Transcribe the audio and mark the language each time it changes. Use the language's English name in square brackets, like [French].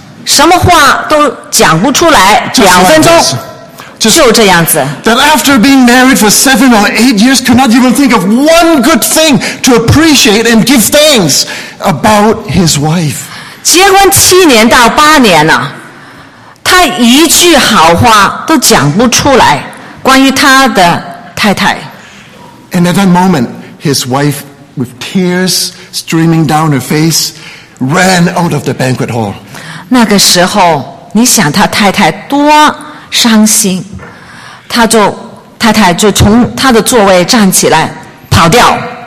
[Chinese] 什么话都讲不出来两分钟。就这样子。 [English] That after being married for 7 or 8 years, could not even think of one good thing to appreciate and give thanks about his wife. [Chinese] 结婚七年到八年了，他一句好话都讲不出来，关于他的太太。 [English] And at that moment, his wife, with tears streaming down her face, ran out of the banquet hall. [Chinese] 那个时候，你想他太太多伤心。太太就从她的座位站起来跑掉。